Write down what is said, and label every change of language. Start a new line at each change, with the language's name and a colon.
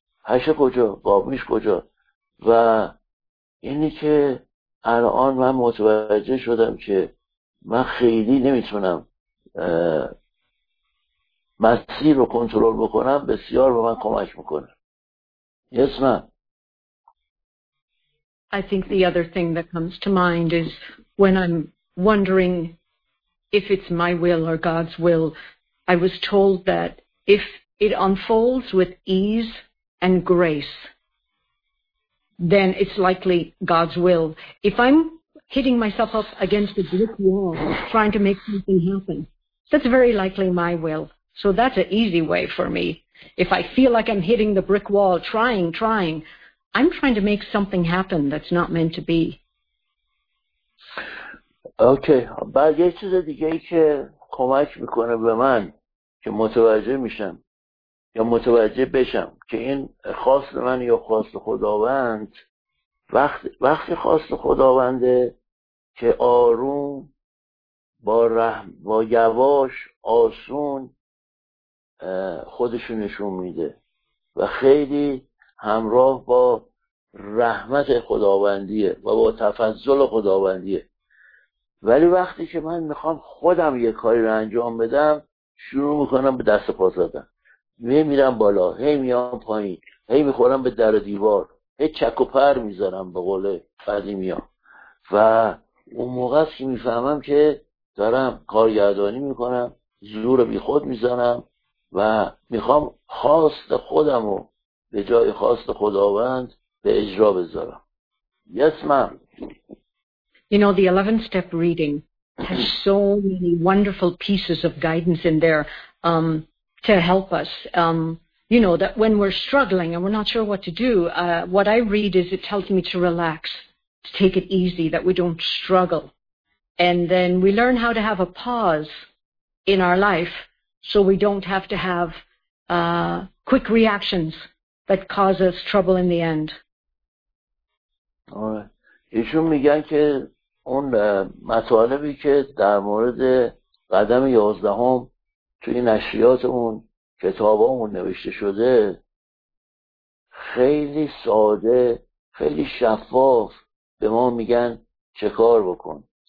Persian: پشه کجا؟ گاومیش کجا؟ و اینی که الان من متوجه شدم که من خیلی نمیتونم مسیر رو کنترل بکنم بسیار به من کمک میکنه.
English: Yes من. I think the other thing that comes to mind is when I'm wondering if it's my will or God's will, I was told that if it unfolds with ease and grace, then it's likely God's will. If I'm hitting myself up against a brick wall trying to make something happen, that's very likely my will. So that's an easy way for me. If I feel like I'm hitting the brick wall, trying, I'm trying to make something happen that's not meant to be. Okay.
Persian: بعد یه چیز دیگه ای که کمک میکنه به من که متوجه میشم یا متوجه بشم که این خواست من یا خواست خداوند، وقتی خواست خداونده که آروم با رحم با یواش آسون خودشو نشون میده و خیلی همراه با رحمت خداوندیه و با تفضل خداوندیه. ولی وقتی که من میخوام خودم یه کاری رو انجام بدم، شروع میکنم به دست پا زدن، میمیرم بالا، هی میام پایین، هی میخورم به در دیوار، هی چک و پر میذارم به قول قدیمی ها. و اون موقع است که میفهمم که دارم کارگردانی میکنم، زور بی خود میذارم و میخوام خواست خودم رو به جای خواست خداوند به اجرا بذارم.
English: Yes, ma'am. You know, the 11 step reading has so many wonderful pieces of guidance in there to help us. You know, that when we're struggling and we're not sure what to do, what I read is it tells me to relax, to take it easy, that we don't struggle. And then we learn how to have a pause in our life so we don't have to have quick reactions that cause us trouble in the end.
Persian: ایشون میگن که اون مطالبی که در مورد قدم 11 هم توی نشریاتمون کتابامون نوشته شده خیلی ساده، خیلی شفاف به ما میگن چه کار بکن.